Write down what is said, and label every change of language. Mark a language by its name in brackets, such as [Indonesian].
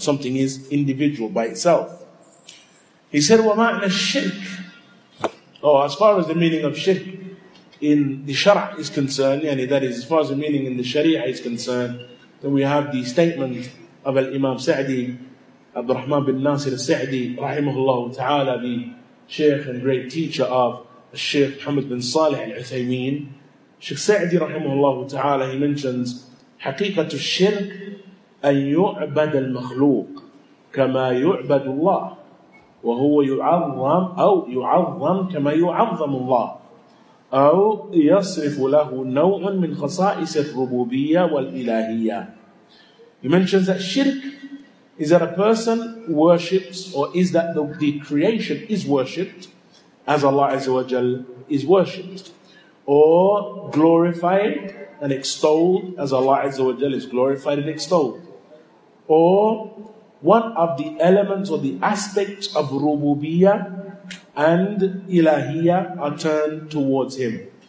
[English] Something is individual by itself. He said [Arabic] وَمَعْنَ الشِّرْكِ, [English] oh, as far as the meaning of shirk in the shara' is concerned, yani that is, as far as the meaning in the sharia is concerned, then we have the statement of Al-Imam Sa'di, Abdul Rahman bin Nasir Sa'di, rahimahullah ta'ala, the sheikh and great teacher of Sheikh Muhammad bin Salih Al-Uthaymeen. Sheikh Sa'di rahimahullah ta'ala, he mentions [Arabic] حَقِيقَةُ الشِّرْكِ أَن يُعْبَدَ الْمَخْلُوقِ كَمَا يُعْبَدُ اللَّهِ وَهُوَ يُعَظَّمْ أَوْ يُعَظَّمْ كَمَا يُعَظَّمُ اللَّهِ أَوْ يَصْرِفُ لَهُ نَوْعًا مِنْ خَصَائِسِ الرُّبُوبِيَّةِ وَالْإِلَهِيَّةِ. [English] He mentions that shirk is that a person worships, or is that the creation is worshipped as Allah Azza wa Jal is worshipped, or glorified and extolled as Allah Azza wa Jal is glorified and extolled, or one of the elements or the aspects of rububiyyah and ilahiyyah are turned towards Him.